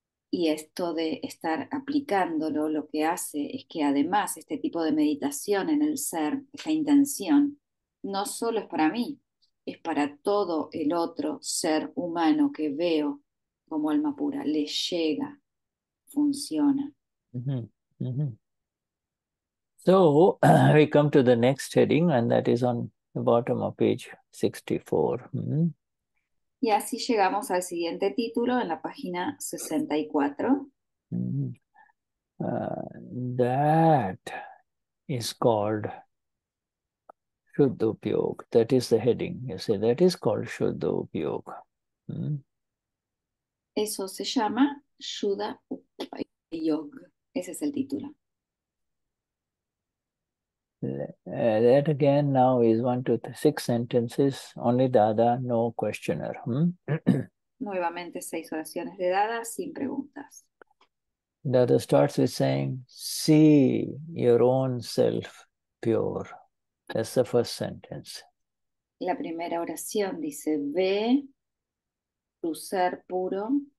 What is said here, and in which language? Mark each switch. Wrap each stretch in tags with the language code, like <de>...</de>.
<es>Y esto de estar aplicándolo, lo que hace es que además este tipo de meditación en el ser, esta intención, no solo es para mí, es para todo el otro ser humano que veo como alma pura, le llega, funciona.</es> <en>So we come to the next heading, and that is on the bottom of page 64.</en> <es>Y así llegamos al siguiente título en la página 64.</es> <en>That is called Shuddha Upayoga. That is the heading. You say that is called Shuddha Upayoga.</en> <es>Eso se llama Shuddha Upayoga. Ese es el título.</es> <en>That again now is 1, 2, 3, 6 sentences, only Dada, no questioner.</en> <es>Nuevamente 6 oraciones de Dada sin preguntas.</es> <en>Dada starts with saying, see your own self pure. That's the first sentence.</en> <es>La primera oración dice, ve tu ser puro.</es>